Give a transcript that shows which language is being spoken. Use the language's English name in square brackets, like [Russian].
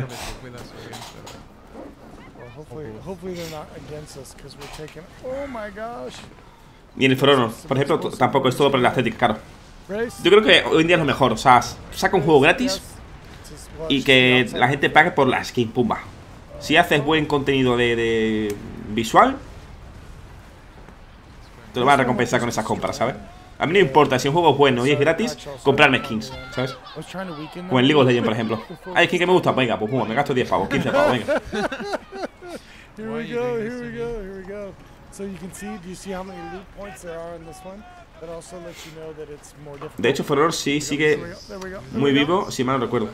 [English] Well, hopefully they're not against us, because we're taking. Oh my gosh! [Spanish] Ni en el For Honor, por ejemplo, tampoco es todo por la estética, claro. Yo creo que hoy en día es lo mejor, o sea, saca un juego gratis y que la gente pague por la skin, pumba. Si haces buen contenido de visual. Te lo van a recompensar con esas compras, ¿sabes? A mí no importa, si un juego es bueno y es gratis, comprarme skins, ¿sabes? O en League of Legends, por ejemplo. Hay skin que me gusta, venga, pues me gasto 10 pavos, 15 pavos, venga. [English] Here we go. So you can see, do you see how many loot points there are in this one? That also lets you know that it's more difficult. [Spanish] De hecho, For Honor sí sigue muy vivo, si mal no recuerdo.